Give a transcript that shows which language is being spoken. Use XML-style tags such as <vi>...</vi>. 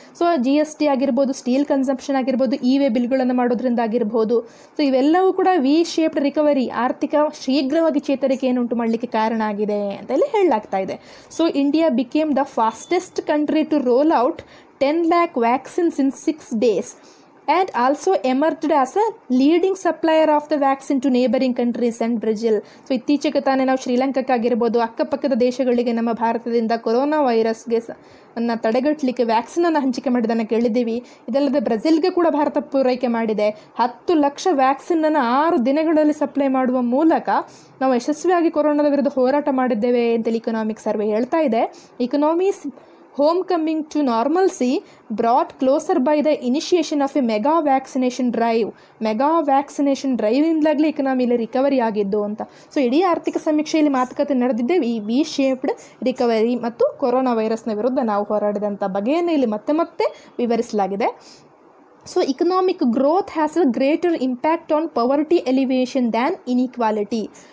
<kn>So G S T ಆಗಿರ್ಬೋದು, steel consumption ಆಗಿರ್ಬೋದು, ಇವೇ ಬಿಲ್ಗಳನ್ನು ಮಾಡೋದ್ರಿಂದ ಆಗಿರ್ಬೋದು, ಸೊ ಇವೆಲ್ಲವೂ ಕೂಡ ವಿ ಶೇಪ್ಡ್ ರಿಕವರಿ ಆರ್ಥಿಕ ಶೀಘ್ರವಾಗಿ ಚೇತರಿಕೆಯನ್ನು ಉಂಟು ಮಾಡಲಿಕ್ಕೆ ಕಾರಣ ಆಗಿದೆ ಅಂತೆಲ್ಲ ಹೇಳಲಾಗ್ತಾ ಇದೆ.</kn> <en>So India became the fastest country to roll out 10 lakh vaccines in 6 days. And also emerged as a leading supplier of the vaccine to neighboring countries and Brazil.</en> <kn>So ಇತ್ತೀಚೆಗೆ ತಾನೇ ನಾವು ಶ್ರೀಲಂಕಾಕ್ಕೆ ಆಗಿರ್ಬೋದು, ಅಕ್ಕಪಕ್ಕದ ದೇಶಗಳಿಗೆ ನಮ್ಮ ಭಾರತದಿಂದ ಕೊರೋನಾ ವೈರಸ್ಗೆ ಅನ್ನು ತಡೆಗಟ್ಟಲಿಕ್ಕೆ ವ್ಯಾಕ್ಸಿನನ್ನು ಹಂಚಿಕೆ ಮಾಡಿದ್ದನ್ನು ಕೇಳಿದ್ದೀವಿ. ಇದಲ್ಲದೆ ಬ್ರೆಜಿಲ್ಗೆ ಕೂಡ ಭಾರತ ಪೂರೈಕೆ ಮಾಡಿದೆ. 10 lakh ವ್ಯಾಕ್ಸಿನನ್ನು 6 ದಿನಗಳಲ್ಲಿ ಸಪ್ಲೈ ಮಾಡುವ ಮೂಲಕ ನಾವು ಯಶಸ್ವಿಯಾಗಿ ಕೊರೋನಾದ ವಿರುದ್ಧ ಹೋರಾಟ ಮಾಡಿದ್ದೇವೆ ಅಂತೇಳಿ ಇಕನಾಮಿಕ್ ಸರ್ವೆ ಹೇಳ್ತಾ ಇದೆ.</kn> <en>Economies home coming to normalcy brought closer by the initiation of a mega vaccination drive. Mega vaccination drive</en> <kn>ಇಂದಾಗಲಿ ಇಕನಾಮಿ ಇಲ್ಲಿ ರಿಕವರಿ ಆಗಿದ್ದು ಅಂತ. ಸೊ ಇಡೀ ಆರ್ಥಿಕ ಸಮೀಕ್ಷೆಯಲ್ಲಿ ಮಾತುಕತೆ ನಡೆದಿದ್ದೆ ಈ ವಿ ಶೇಪ್ಡ್ ರಿಕವರಿ ಮತ್ತು ಕೊರೋನಾ ವೈರಸ್ನ ವಿರುದ್ಧ ನಾವು ಹೋರಾಡಿದಂಥ ಬಗೆಯನ್ನು ಇಲ್ಲಿ ಮತ್ತೆ ಮತ್ತೆ ವಿವರಿಸಲಾಗಿದೆ.</kn> <en>So economic growth has a greater impact on poverty alleviation than inequality.</en>